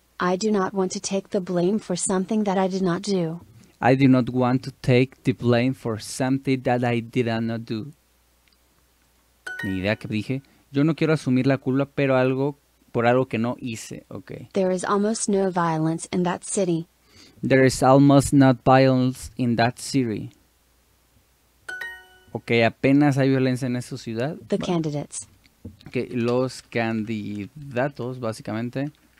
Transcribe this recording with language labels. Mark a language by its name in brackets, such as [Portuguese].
[English] I do not want to take the blame for something that I did not do. I do not want to take the blame for something that I did not do. [Spanish] Ni idea que dije. Yo no quiero asumir la culpa, pero algo por algo que no hice. Okay. [English] There is almost no violence in that city. There is almost no violence in that city. [Spanish] Okay, apenas hay violencia en esa ciudad. [English] The candidates. [Spanish] Que okay, los candidatos, básicamente.